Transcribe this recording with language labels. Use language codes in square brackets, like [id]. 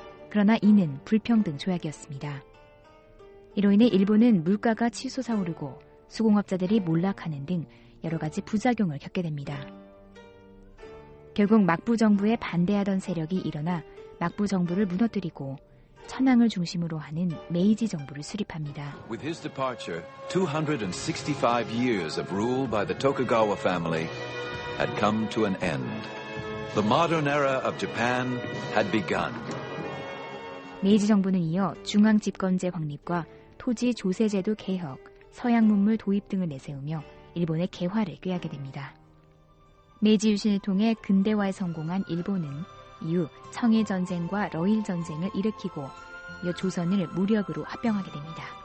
[ko] 그러나 이는 불평등 조약이었습니다. 이로 인해 일본은 물가가 치솟아오르고 수공업자들이 몰락하는 등 여러 가지 부작용을 겪게 됩니다. 결국 막부 정부에 반대하던 세력이 일어나 막부 정부를 무너뜨리고 천황을 중심으로 하는 메이지 정부를 수립합니다. [en] With his departure, 265 years of rule by the Tokugawa family had come to an end. The modern era of Japan had begun. [ko] 메이지 정부는 이어 중앙 집권제 확립과 토지 조세 제도 개혁, 서양 문물 도입 등을 내세우며 일본의 개화를 꾀하게 됩니다. 메이지 유신을 통해 근대화에 성공한 일본은 이후 청해 전쟁과 러일 전쟁을 일으키고 이어 조선을 무력으로 합병하게 됩니다.